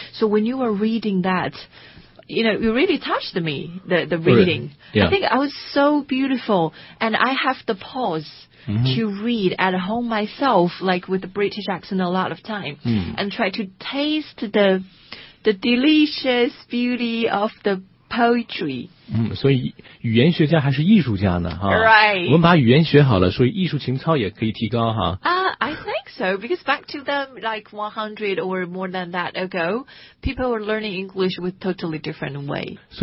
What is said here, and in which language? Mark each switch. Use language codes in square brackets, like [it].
[en] So when you were reading that, you know, it really touched me, the reading. Yeah. I think I was so beautiful. And I have the pause to read at home myself, like with the British accent a lot of time, and try to taste the delicious beauty of the poetry. [zh] 所以语言学家还是艺术家呢。 [en] Right. [zh] 我们把语言学好了，所以艺术情操也可以提高。 [en] I think so, because back to them, like 100 or more than that ago, people were learning English with totally different way.